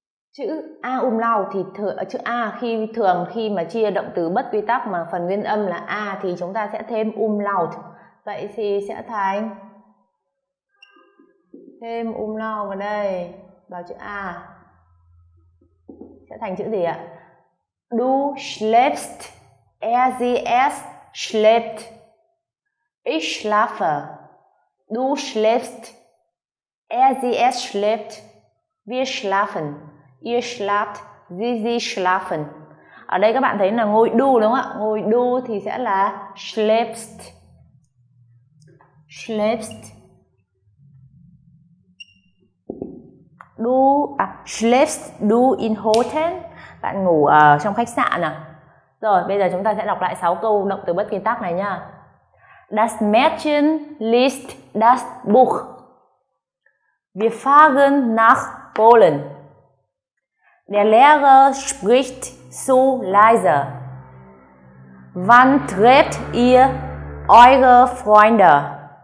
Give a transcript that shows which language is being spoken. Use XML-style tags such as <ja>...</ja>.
<vi>Chữ a umlaut thì chữ a khi thường khi mà chia động từ bất quy tắc mà phần nguyên âm là a thì chúng ta sẽ thêm umlaut. Vậy thì sẽ thành thêm umlaut vào đây vào chữ a. Sẽ thành chữ gì ạ?</vi> <de>Du schläfst, er sie es schläft. Ich schlafe. Du schläfst, er sie es schläft. Wir schlafen. Ihr schlaft, sie schlafen.</de> <vi>Ở đây các bạn thấy là ngôi du đúng không ạ? Ngôi du thì sẽ là schläfst. Schläfst.</vi> <de>Schläfst du in Hotel?</de> <vi>Bạn ngủ ở trong khách sạn à? Rồi, bây giờ chúng ta sẽ đọc lại 6 câu động từ bất kỳ tác này nha.</vi> <de>Das Mädchen liest das Buch. Wir fahren nach Polen. Der Lehrer spricht so leise. Wann trefft ihr eure Freunde?</de>